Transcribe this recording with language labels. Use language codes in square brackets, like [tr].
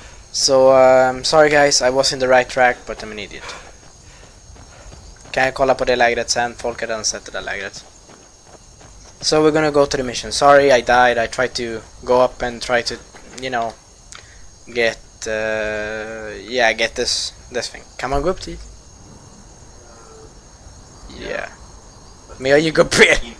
[en] Så, sorry guys, I was in the right track, but I'm an idiot. [sv] Kan jag kolla på det lägret sen? Folk har redan sett det där lägret. [en] So we're gonna go to the mission. Sorry, I died. I tried to go up and try to, you know, get this thing. [sv] Kan man gå upp dit? Yeah. Men jag gick upp fel.